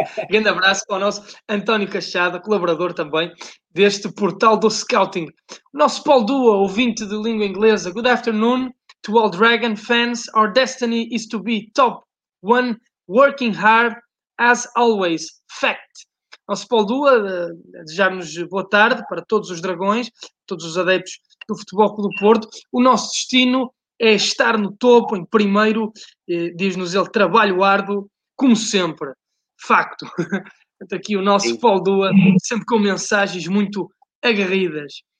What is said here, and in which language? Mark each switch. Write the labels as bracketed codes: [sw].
[pt] Grande abraço para o nosso António Cachada, colaborador também deste portal do Scouting. O nosso Paul Dua, ouvinte de língua inglesa. [en] Good afternoon to all Dragon fans. Our destiny is to be top one, working hard as always. Fact. [pt] Nosso Paul Dua, desejar-nos boa tarde para todos os dragões, todos os adeptos do Futebol Clube do Porto. O nosso destino é estar no topo, em primeiro, diz-nos ele, trabalho árduo, como sempre. Facto. Aqui o nosso Paul Dua, sempre com mensagens muito aguerridas.